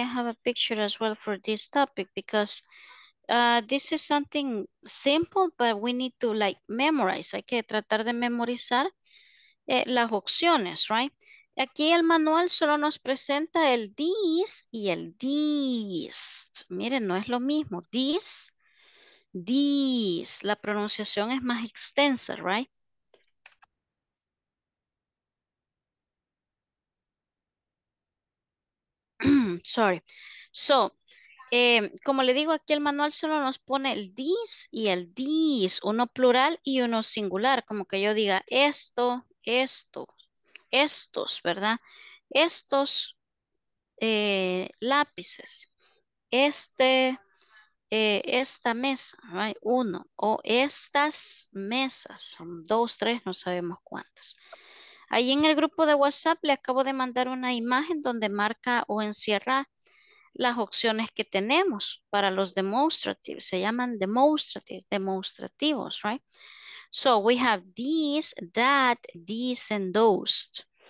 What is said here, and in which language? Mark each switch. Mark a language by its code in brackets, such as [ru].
[en] I have a picture as well for this topic because this is something simple, but we need to like memorize. [es] Hay que tratar de memorizar las opciones, right? Aquí el manual solo nos presenta el this y el this. Miren, no es lo mismo. This, this. La pronunciación es más extensa, right? Sorry. So, como le digo, aquí el manual solo nos pone el this y el this, uno plural y uno singular, como que yo diga esto, esto, estos, ¿verdad? Estos lápices, este, esta mesa, right? Uno, o estas mesas, son dos, tres, no sabemos cuántas. Ahí en el grupo de WhatsApp le acabo de mandar una imagen donde marca o encierra las opciones que tenemos para los demonstrative. Se llaman demonstrative, demostrativos, right? [en] So we have these, that, these, and those.